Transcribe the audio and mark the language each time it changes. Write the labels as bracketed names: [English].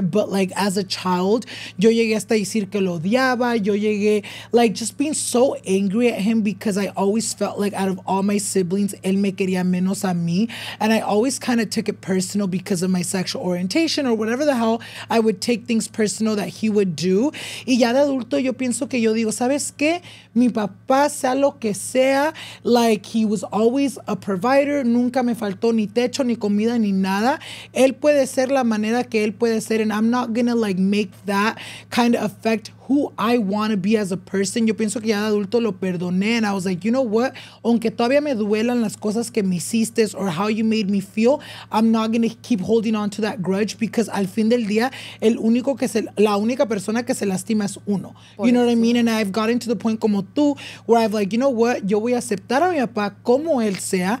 [English] But like as a child, [Spanish] yo llegué hasta decir que lo odiaba. Yo llegué, [English] like just being so angry at him because I always felt like out of all my siblings, [Spanish] él me quería menos a mí. [English] And I always kind of took it personal because of my sexual orientation or whatever the hell, I would take things personal that he would do. [Spanish] Y ya de adulto, yo pienso que yo digo, ¿sabes qué? Mi papá, sea lo que sea, like, [English] he was always a provider. [Spanish] Nunca me faltó ni techo, ni comida, ni nada. Él puede ser la manera que él puede ser. [English] And I'm not gonna, like, make that kind of affect who I want to be as a person. [Spanish] Yo pienso que ya de adulto lo perdoné. [English] And I was like, you know what? [Spanish] Aunque todavía me duelan las cosas que me hiciste [English] or how you made me feel, I'm not going to keep holding on to that grudge because [Spanish] al fin del día, la única persona que se lastima es uno. [English] You know what I mean? And I've gotten to the point [Spanish] como tú [English] where I've like, you know what? [Spanish] Yo voy a aceptar a mi papá como él sea.